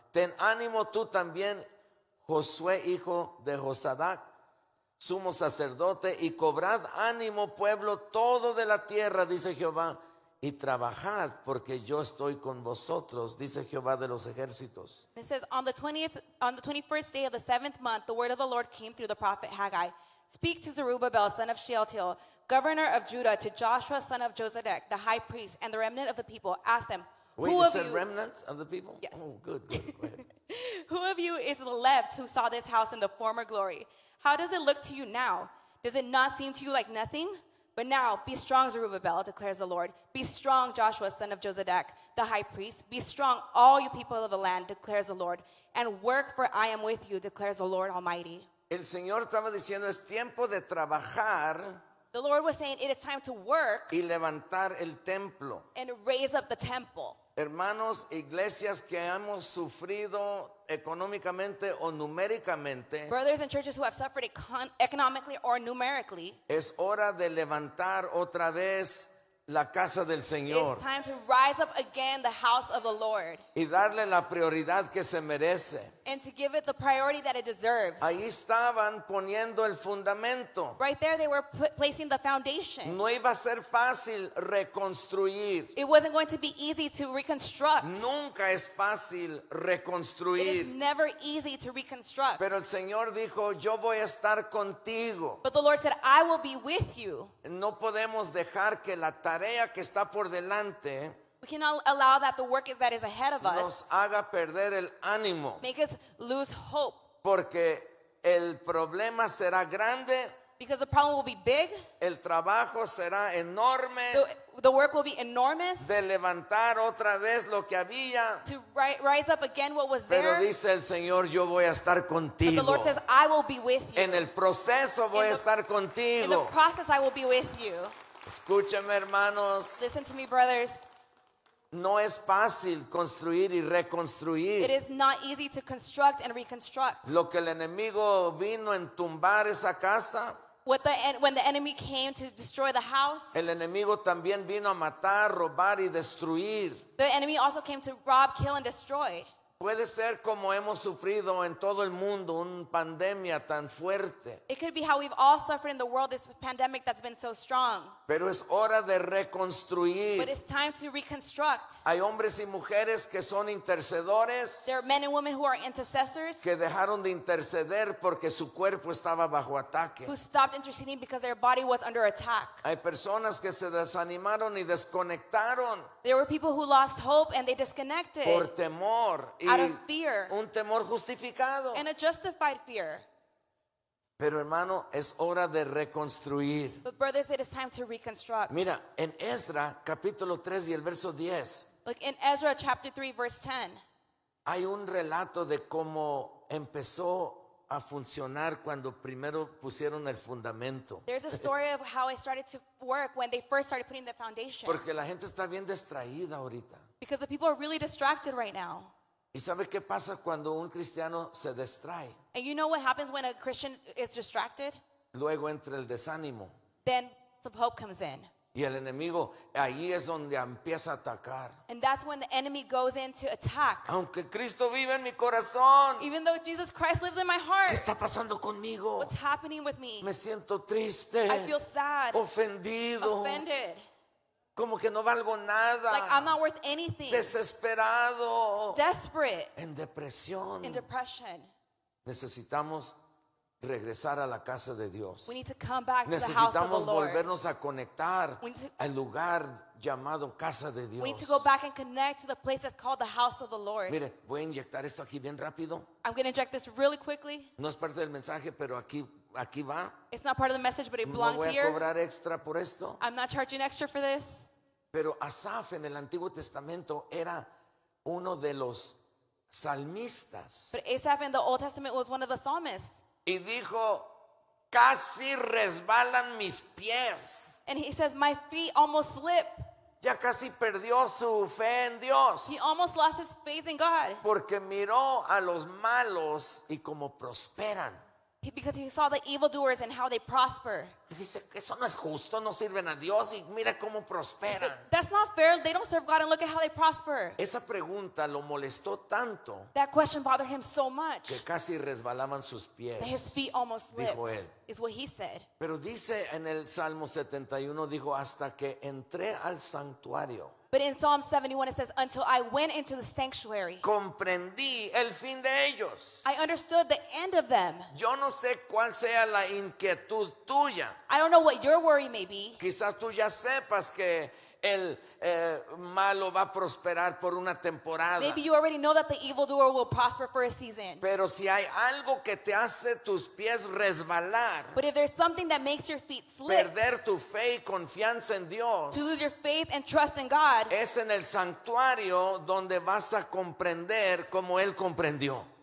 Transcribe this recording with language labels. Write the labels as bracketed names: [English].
[Spanish] Ten ánimo tú también, Josué, hijo de Josadac, sumo sacerdote, y cobrad ánimo, pueblo todo de la tierra, dice Jehová. Y trabajad, porque yo estoy con vosotros, dice Jehová de los ejércitos. [English] It says, on the 21st day of the seventh month, the word of the Lord came through the prophet Haggai. Speak to Zerubbabel, son of Shealtiel, governor of Judah, to Joshua, son of Josedek, the high priest, and the remnant of the people. Ask them, wait, who of you... remnant of the people? Yes. Oh, good. Go ahead. Who of you is left who saw this house in the former glory? How does it look to you now? Does it not seem to you like nothing? But now, be strong, Zerubbabel, declares the Lord. Be strong, Joshua, son of Josedek, the high priest. Be strong, all you people of the land, declares the Lord. And work, for I am with you, declares the Lord Almighty. [Spanish] El Señor estaba diciendo, es tiempo de trabajar. [English] The Lord was saying, it is time to work. [Spanish] Y levantar el templo. [English] And raise up the temple. [Spanish] Hermanos, iglesias que hemos sufrido económicamente o numéricamente. [English] Brothers and churches who have suffered economically or numerically. [Spanish] Es hora de levantar otra vez la casa del Señor. [English] It's time to rise up again, the house of the Lord. [Spanish] Y darle la prioridad que se merece. [English] And to give it the priority that it deserves. [Spanish] Ahí estaban poniendo el fundamento. [English] Right there they were placing the foundation. [Spanish] No iba a ser fácil reconstruir. [English] It wasn't going to be easy to reconstruct. [Spanish] Nunca es fácil reconstruir. [English] It is never easy to reconstruct. [Spanish] Pero el Señor dijo, yo voy a estar contigo. [English] But the Lord said, I will be with you. [Spanish] No podemos dejar que la tarea que está por delante, [English] we cannot allow that the work that is ahead of us [Spanish] nos haga perder el ánimo, [English] make us lose hope, [Spanish] porque el problema será grande, [English] because the problem will be big, [Spanish] el trabajo será enorme, [English] the work will be enormous, [Spanish] de levantar otra vez lo que había, [English] to rise up again what was [Spanish] pero [English] there, [Spanish] pero dice el Señor, yo voy a estar contigo, [English] but the Lord says, I will be with you, [Spanish] en el proceso voy a estar contigo, [English] in the process I will be with you. [Spanish] Escúchenme, hermanos. [English] Listen to me, brothers. [Spanish] No es fácil construir y reconstruir. [English] It is not easy to construct and reconstruct. [Spanish] Lo que el enemigo vino en tumbar esa casa. [English] When the enemy came to destroy the house. [Spanish] El enemigo también vino a matar, robar y destruir. [English] The enemy also came to rob, kill and destroy. [Spanish] Puede ser como hemos sufrido en todo el mundo, una pandemia tan fuerte. [English] It could be how we've all suffered in the world, this pandemic that's been so strong. [Spanish] Pero es hora de reconstruir. [English] But it's time to reconstruct. [Spanish] Hay hombres y mujeres que son intercedores. [English] There are men and women who are intercessors. [Spanish] Que dejaron de interceder porque su cuerpo estaba bajo ataque. [English] Who stopped interceding because their body was under attack. [Spanish] Hay personas que se desanimaron y desconectaron. [English] There were people who lost hope and they disconnected. [Spanish] Por temor. [English] Out of fear. [Spanish] Un temor justificado. [English] And a justified fear. [Spanish] Pero hermano, es hora de reconstruir. [English] But brothers, it is time to reconstruct. [Spanish] Mira, en Ezra, capítulo 3 y el verso 10. [English] Look, in Ezra, chapter 3, verse 10. [Spanish] Hay un relato de cómo empezó a funcionar cuando primero pusieron el fundamento. [English] There's a story of how it started to work when they first started putting the foundation. [Spanish] Porque la gente está bien distraída ahorita. [English] Because the people are really distracted right now. [Spanish] ¿Y sabe qué pasa cuando un cristiano se distrae? [English] And you know what happens when a Christian is distracted? [Spanish] Luego entra el desánimo. [English] Then the hope comes in. [Spanish] Y el enemigo, ahí es donde empieza a atacar. [English] And that's when the enemy goes in to attack. [Spanish] Aunque Cristo vive en mi corazón. [English] Even though Jesus Christ lives in my heart. [Spanish] ¿Qué está pasando conmigo? [English] What's happening with me? [Spanish] Me siento triste. [English] I feel sad. [Spanish] Ofendido. [English] Offended. [Spanish] Como que no valgo nada. [English] Like I'm not worth anything. [Spanish] Desesperado. [English] Desperate. [Spanish] En depresión. [English] In depression. [Spanish] Necesitamos regresar a la casa de Dios. [English] We need to come back to the house of the Lord. [Spanish] Necesitamos volvernos a conectar al lugar llamado casa de Dios. [English] We need to go back and connect to the place that's called the house of the Lord. [Spanish] Mire, voy a inyectar esto aquí bien rápido. [English] I'm going to inject this really quickly. [Spanish] No es parte del mensaje, pero aquí va. [English] It's not part of the message, but it belongs here. [Spanish] No voy a cobrar extra por esto. [English] I'm not charging extra for this. [Spanish] Pero Asaf en el Antiguo Testamento era uno de los salmistas. [English] But Asaf in the Old Testament was one of the psalmists. [Spanish] Y dijo, casi resbalan mis pies. [English] And he says, my feet almost slip. [Spanish] Ya casi perdió su fe en Dios. [English] He almost lost his faith in God. [Spanish] Porque miró a los malos y cómo prosperan. [English] Because he saw the evildoers and how they prosper. [Spanish] Dice, eso no es justo, no sirven a Dios y mira cómo prosperan. [English] That's not fair, they don't serve God and look at how they prosper. [Spanish] Esa pregunta lo molestó tanto. [English] That question bothered him so much. [Spanish] Que casi resbalaban sus pies. [English] That his feet almost slipped. [Spanish] Dijo él. [English] Is what he said. [Spanish] Pero dice en el Salmo 71, dijo, hasta que entré al santuario. [English] But in Psalm 71 it says, until I went into the sanctuary. [Spanish] Comprendí el fin de ellos. [English] I understood the end of them. [Spanish] Yo no sé cuál sea la inquietud tuya. [English] I don't know what your worry may be. [Spanish] Quizás tú ya sepas que el malo va a prosperar por una temporada. [English] Maybe you already know that the evildoer will prosper for a season. [Spanish] Pero si hay algo que te hace tus pies resbalar, [English] but if there's something that makes your feet slip, [Spanish] perder tu fe y confianza en Dios, [English] to lose your faith and trust in God, [Spanish] es en el santuario donde vas a comprender como él comprendió.